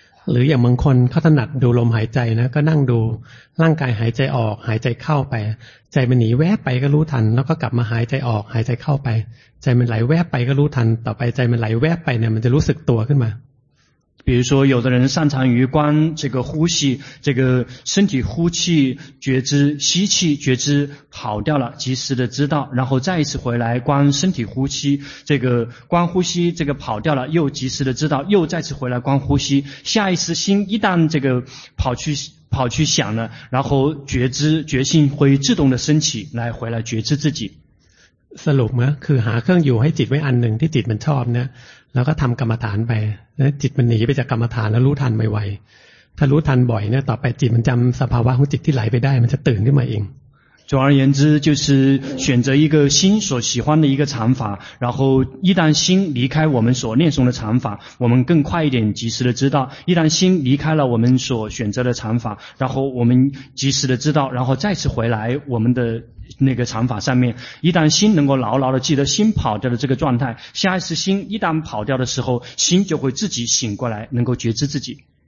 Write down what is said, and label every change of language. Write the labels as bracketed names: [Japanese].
[Thai] หรืออย่างบางคนเขาถนัดดูลมหายใจนะก็นั่งดูร่างกายหายใจออกหายใจเข้าไปใจมันหนีแวบไปก็รู้ทันแล้วก็กลับมาหายใจออกหายใจเข้าไปใจมันไหลแวบไปก็รู้ทันต่อไปใจมันไหลแวบไปเนี่ยมันจะรู้สึกตัวขึ้นมา [Chinese] 比如说有的人擅长于观这个呼吸这个身体呼气觉知吸气觉知跑掉了及时的知道然后再一次回来观身体呼吸这个观呼吸这个跑掉了又及时的知道又再次回来观呼吸下一次心一旦这个跑去想了然后觉知觉性会自动的升起来回来觉知自己 [Thai] สรุปนะคือหาเครื่องอยู่ให้จิตไว้อันหนึ่งที่จิตมันชอบนะแล้วก็ทำกรรมฐานไปแล้วจิตมันหนีไปจากกรรมฐานแล้วรู้ทันไวๆถ้ารู้ทันบ่อยเนี่ยต่อไปจิตมันจำสภาวะของจิตที่ไหลไปได้มันจะตื่นขึ้นมาเอง [Chinese] 总而言之就是选择一个心所喜欢的一个禅法然后一旦心离开我们所念诵的禅法我们更快一点及时的知道一旦心离开了我们所选择的禅法然后我们及时的知道然后再次回来我们的那个禅法上面一旦心能够牢牢的记得心跑掉的这个状态下一次心一旦跑掉的时候心就会自己醒过来能够觉知自己